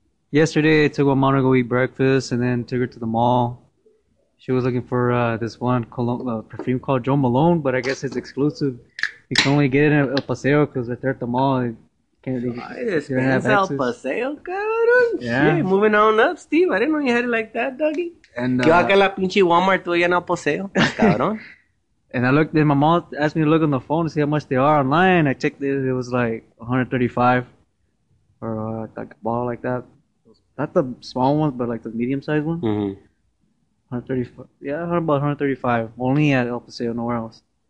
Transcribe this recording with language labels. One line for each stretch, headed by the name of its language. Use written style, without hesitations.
English: Yesterday, I took my mom to go eat breakfast and then took her to the mall. She was looking for this one perfume called Jo Malone, but I guess it's exclusive. You can only get it in El Paseo because right there at the mall, it's have El Paseo, cabrón. Yeah. Shit, moving on up, Steve. I didn't know you had it like that, doggy. And
Spanish: yo acá la pinche Walmart, tú allá en El Paseo, cabrón.
English: And I looked, and my mom asked me to look on the phone to see how much they are online. I checked it. It was like $135 for like a bottle like that. Not the small ones, but like the medium-sized one. Mm-hmm. 135. Only at El Paseo, nowhere else.